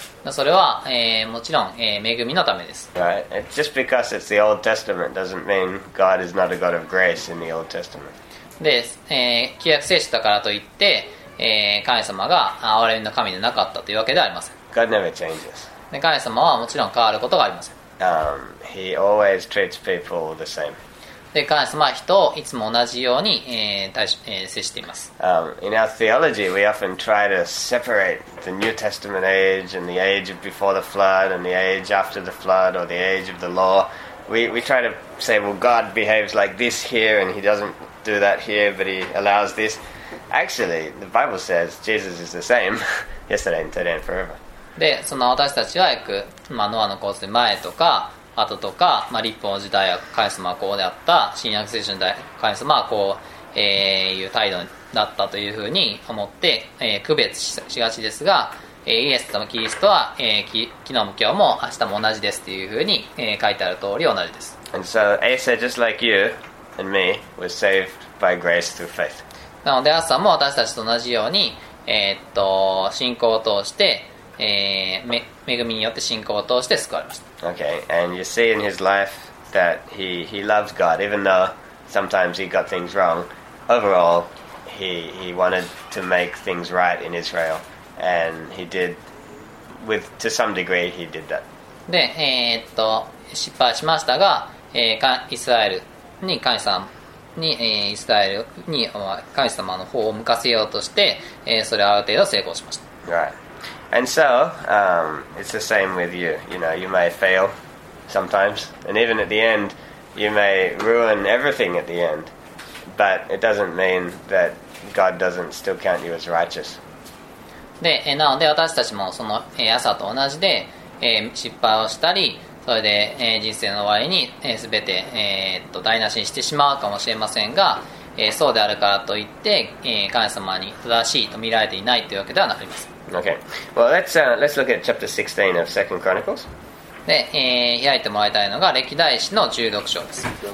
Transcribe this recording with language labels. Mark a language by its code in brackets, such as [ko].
[ja] それは、もちろん、恵みのためです。 [en] Right. Just because it's the Old Testament doesn't mean God is not a God of grace in the Old Testament. [ja] で、旧約聖書だからといって、神様が憐れみの神でなかったというわけではありません。 [en] God never changes. [ja] で、神様はもちろん変わることがありません。 [en] He always treats people the same. [ja] で、神様は人をいつも同じように、接しています。 [en] In our theology, we often try to separate the New Testament age and the age before the flood and the age after the flood or the age of the law. We try to say, well, God behaves like this here and he doesn'tdo that here, but he allows this. Actually, the Bible says Jesus is the same yesterday and today and forever. [ja] で、その私たちはよく、まあ、ノアの洪水前とか後とか、まあ、律法の時代は神様はこうであった、新約聖書の時代神様はこう、いう態度だったというふうに思って、区別しがちですが、イエスとキリストは、昨日も今日も明日も同じですというふうに、書いてある通り同じです。 [en] And so Asa, just like you, and me were saved by grace through faith. [ja] なのでアーサーも私たちと同じように、信仰を通して、恵みによって信仰を通して救われました。 [en] Okay, and you see in his life that he loves God, even though sometimes he got things wrong. Overall, he wanted to make things right in Israel, and he did with to some degree he did that. [ja] で、失敗しましたが、イスラエルに神様に、イスラエルに神様の方を向かせようとして、それはある程度成功しました。 [en] Right. And so, it's the same with you. You know, you may fail sometimes, and even at the end, you may ruin everything at the end. But it doesn't mean that God doesn't still count you as righteous. [ja] で、なので私たちもその朝と同じで、失敗をしたり、それで、人生の終わりに、全て、台無しにしてしまうかもしれませんが、そうであるからといって、神様に正しいと見られていないというわけではなくります。 [en] Okay. Well, let's look at chapter 16 of 2 Chronicles. [ja] で、開いてもらいたいのが歴代史の16章です。